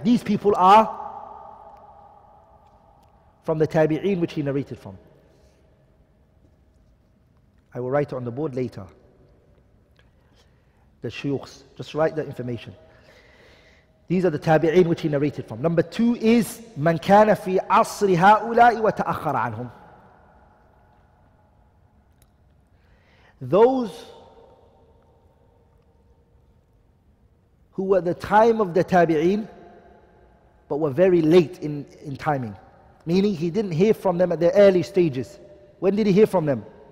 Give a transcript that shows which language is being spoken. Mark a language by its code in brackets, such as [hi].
[en] These people are from the tabi'in which he narrated from. I will write it on the board later. The shuyukhs, just write the information. These are the tabi'in which he narrated from. Number two is [ar] من كان في عصر هؤلاء وتأخر عنهم. [en] Those who were the time of the tabi'in but were very late in timing. Meaning he didn't hear from them at their early stages. When did he hear from them?